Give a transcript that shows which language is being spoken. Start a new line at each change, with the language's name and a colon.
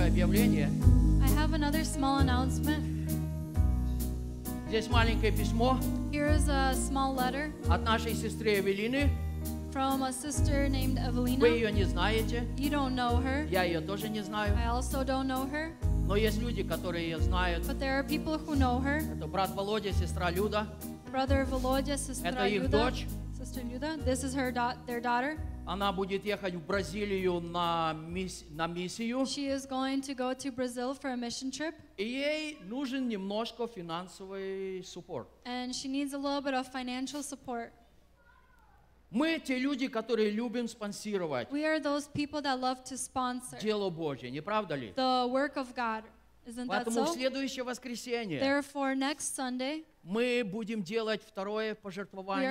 English: I have another small announcement.
Russian: Здесь маленькое письмо.
English: Here is a small letter.
Russian: От нашей сестры Эвелины.
English: From a sister named Evelina.
Russian: Вы ее не знаете.
English: You don't know her.
Russian: Я ее тоже не знаю.
English: I also don't know her.
Russian: Но есть люди, которые ее знают.
English: But there are people who know her.
Russian: Это брат Володя, сестра Люда.
English: Brother Володя, сестра Люда.
Russian: Это их дочь.
English: Sister Люда. This is her their daughter.
Russian: Она будет ехать в Бразилию на миссию.
English: She is going to go to Brazil for a mission trip.
Russian: И ей нужен немножко финансовый support.
English: And she needs a little bit of financial support.
Russian: Мы те люди, которые любим спонсировать.
English: We are those people that love to sponsor.
Russian: Дело Божье, не правда ли?
English: The work of God. Isn't that
Russian: Поэтому
English: so?
Russian: В следующее воскресенье
English: Therefore, next Sunday,
Russian: мы будем делать второе пожертвование